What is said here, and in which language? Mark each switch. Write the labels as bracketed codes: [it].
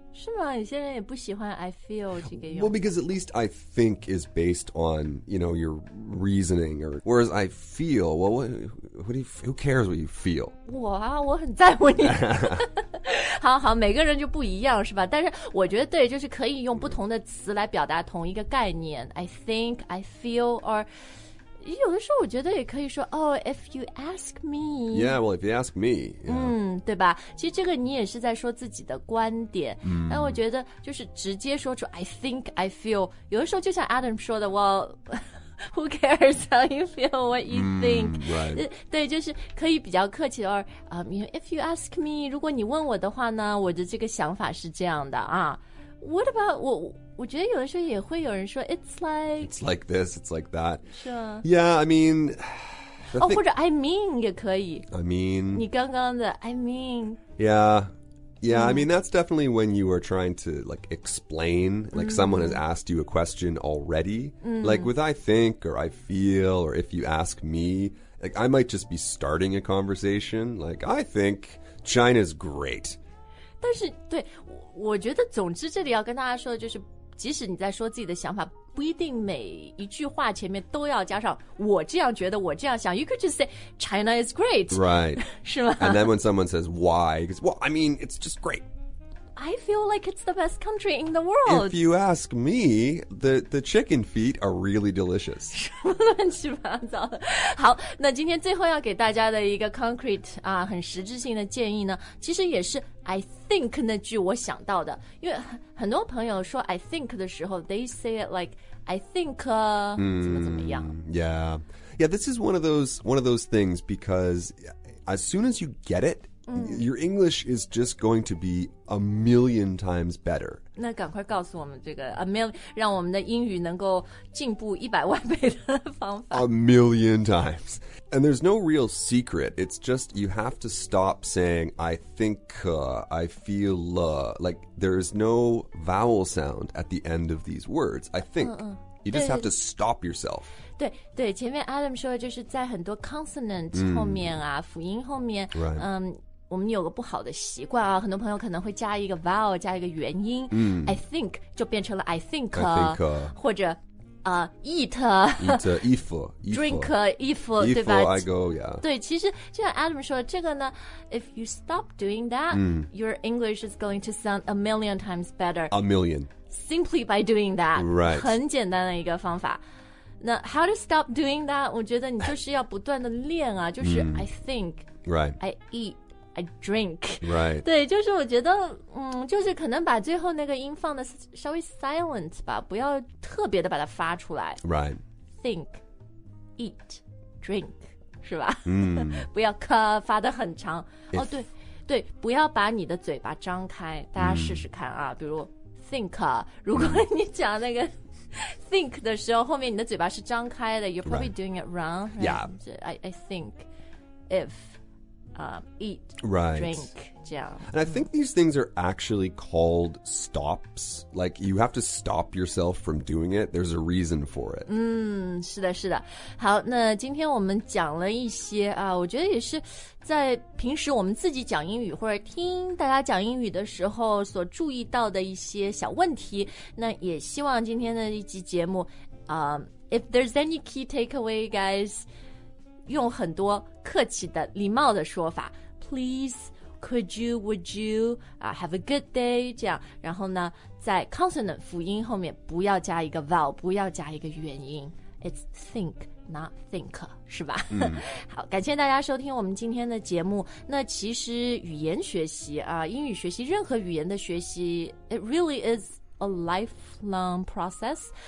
[zh] 是吗有些人也不喜欢 [en] I feel [zh] 这个用 [en] Well, because at least I think is based on, you know, your reasoning. Whereas I feel, well, who cares what you feel? [zh] 我啊我很在乎你。好好每个人就不一样是吧但是我觉得对就是可以用不同的词来表达同一个概念。 [en] I think, I feel, or... [zh] 有的时候我觉得也可以说 [en] Oh, if you ask me Yeah, well, if you ask me、yeah. [zh] 对吧其实这个你也是在说自己的观点、 mm. 但我觉得就是直接说出 [en] I think, I feel [zh] 有的时候就像 [en] Adam 说的 Well, who cares how you feel, what you think、 mm, right. [zh] 对就是可以比较客气的 [en] or, you know, If you ask me [zh] 如果你问我的话呢我的这个想法是这样的啊 [en] What about, [zh] 我觉得有的时候也会有人说 [en] it's like... It's like this, it's like that. [zh] 是啊。 [en] Yeah, I mean... [zh] 哦、oh, ，或者 [en] I mean [zh] 也可以。 [en] I mean... [zh] 你刚刚的 [en] I mean... Yeah, yeah,、mm. I mean, that's definitely when you are trying to, like, explain, like,、mm. someone has asked you a question already.、 Mm. Like, with I think, or I feel, or if you ask me, like, I might just be starting a conversation. Like, I think China's great. [zh] 但是对我觉得总之这里要跟大家说的就是即使你在说自己的想法不一定每一句话前面都要加上我这样觉得我这样想 [en] You could just say China is great Right [zh] 是吗 [en] And then when someone says why because, Well I mean it's just great I feel like it's the best country in the world If you ask me the chicken feet are really delicious [zh] 什么乱七八糟的好那今天最后要给大家的一个 concrete、啊、很实质性的建议呢其实也是 I think 那句我想到的因为很多朋友说 I think 的时候 [en] They say it like I think、 [zh] 怎么怎么样 [en] Yeah Yeah this is one of those things Because as soon as you get itYour English is just going to be a million times better. [zh] 那赶快告诉我们这个 a million, 让我们的英语能够进步一百万倍的方法。 [en] A million times. And there's no real secret. It's just you have to stop saying, I think, I feel, like there is no vowel sound at the end of these words. I think. You just have to stop yourself. [zh] 对对，前面 Adam 说的就是在很多 consonant 后面啊，辅音后面，嗯、 [en] right. [zh] ，我们有个不好的习惯啊，很多朋友可能会加一个 vowel， 加一个元音、 [en] I think [zh] 就变成了 I think，, [en] I think [zh] 或者eat if 对吧 [en] ？I go yeah。 [zh] 对，其实就像 Adam 说的这个呢 [en] ，if you stop doing that，、your English is going to sound a million times better。 A million。 Simply by doing that， right， [zh] 很简单的一个方法。那 [en] how to stop doing that? [zh] 我觉得你就是要不断的练啊，就是 [en] I think, right, I eat, I drink, right. [zh] 对，就是我觉得，就是可能把最后那个音放的稍微 silent 吧，不要特别的把它发出来。 [en] Right. Think, eat, drink, 是吧？ [zh] 不要咳发的很长。哦，对，对，不要把你的嘴巴张开，大家试试看啊。比如 think, 如果你讲那个。Think 的时候，后面你的嘴巴是张开的。 [en] You're probably doing it wrong. Right? Yeah. I think if eat, right, drink, 这样 And I think these things are actually called stops. Like you have to stop yourself from doing it. There's a reason for it. [zh] 是的，是的。好，那今天我们讲了一些啊，我觉得也是在平时我们自己讲英语或者听大家讲英语的时候所注意到的一些小问题。那也希望今天的一集节目， [en] if there's any key takeaway, guys. [zh] 用很多客气的礼貌的说法 [en] Please, could you, would you、have a good day [zh] 这样然后呢在 consonant 辅音后面不要加一个 vowel 不要加一个元音 [en] It's think, not think [zh] 是吧、好感谢大家收听我们今天的节目那其实语言学习、英语学习任何语言的学习 [en] It really isA lifelong process.